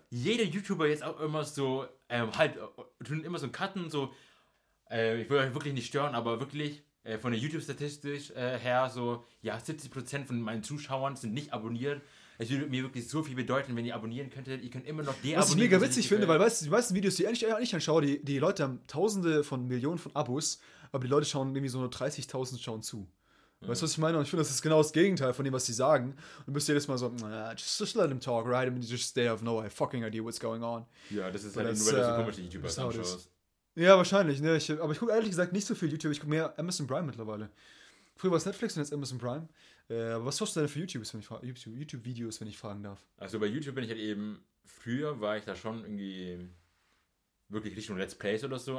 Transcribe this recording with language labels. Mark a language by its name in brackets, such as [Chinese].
[German] Jeder YouTuber jetzt auch immer so, tun immer so einen Cutten, so, ich will euch wirklich nicht stören, aber wirklich, von der YouTube-Statistik her, so, ja, 70% von meinen Zuschauern sind nicht abonniert. Es würde mir wirklich so viel bedeuten, wenn ihr abonnieren könntet. Ihr könnt immer noch deabonnieren. Was ich mega witzig finde, weil weißt, die meisten Videos, die ich eigentlich anschaue, die Leute haben Tausende von Millionen von Abos, aber die Leute schauen irgendwie so nur 30.000 schauen zu. Weißt du, was ich meine? Und ich finde, das ist genau das Gegenteil von dem, was sie sagen. Und du bist jedes Mal so, [English] just let them talk, right? I mean, just they have no fucking idea what's going on. [German] Ja, das ist halt nur, weil du so komische YouTuber anschaust. Ja, wahrscheinlich. Ne? Aber ich gucke ehrlich gesagt nicht so viel YouTube. Ich gucke mehr Amazon Prime mittlerweile. Früher war es Netflix und jetzt Amazon Prime. Was schaust du denn für YouTubes, wenn ich YouTube-Videos, wenn ich fragen darf? Also bei YouTube bin ich halt eben, früher war ich da schon irgendwie wirklich Richtung Let's Plays oder so.